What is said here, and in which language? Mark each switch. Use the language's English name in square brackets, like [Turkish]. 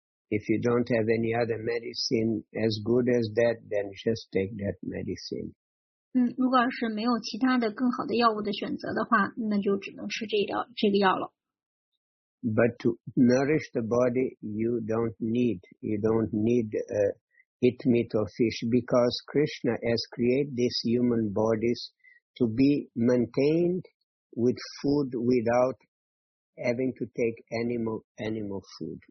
[English] If you don't have any other medicine as good as that, then just take that medicine. [Chinese] 如果是没有其他的更好的药物的选择的话，那就只能吃这个药了。 [English] But to nourish the body, you don't need eat meat or fish because Krishna has created these human bodies to be maintained with food without having to take animal food.